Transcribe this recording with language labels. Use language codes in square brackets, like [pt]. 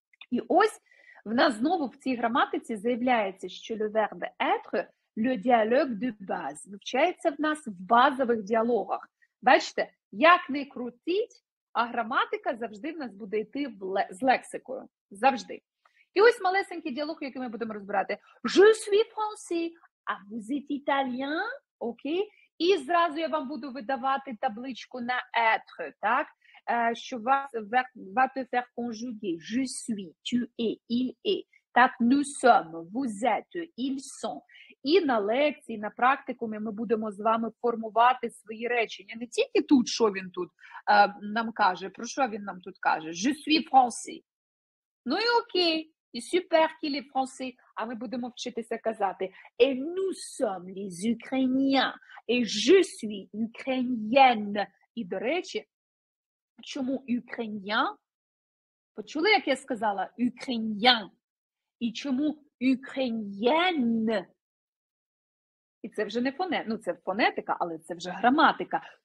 [uk] І ось в нас знову в цій граматиці заявляється, що le verbe être, le dialogue de base, вивчається в нас в базових діалогах. Бачите, як не крутіть, а граматика завжди в нас буде йти з лексикою. Завжди. І ось малесенький діалог, який ми будемо розбирати. [fr] Je suis français, а vous êtes italien? [uk] Окей. І зразу я вам буду видавати табличку на être, так? [fr] Що вас va te faire conjuguer. Je suis, tu es, il est. Так, nous sommes, vous êtes, ils sont. [uk] І на лекції, на практикумі ми будемо з вами формувати свої речення. Не тільки тут, що він тут нам каже, про що він нам тут каже. [fr] Je suis français. Ну і окей. І super qu'il est français. [uk] А ми будемо вчитися казати. [fr] Et nous sommes les Ukrainiens. Et je suis ukrainienne. [uk] І, до речі, чому ukrainien? Почули, як я сказала? Ukrainien. І чому ukrainienne? І це вже не фонетика, ну це фонетика, але це вже граматика.